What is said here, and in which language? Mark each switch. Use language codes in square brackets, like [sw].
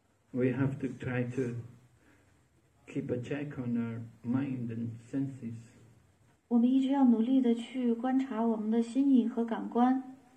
[en] We have to try to... Keep a check on our mind and senses. [zh] 我们一直要努力地去观察我们的心意和感官。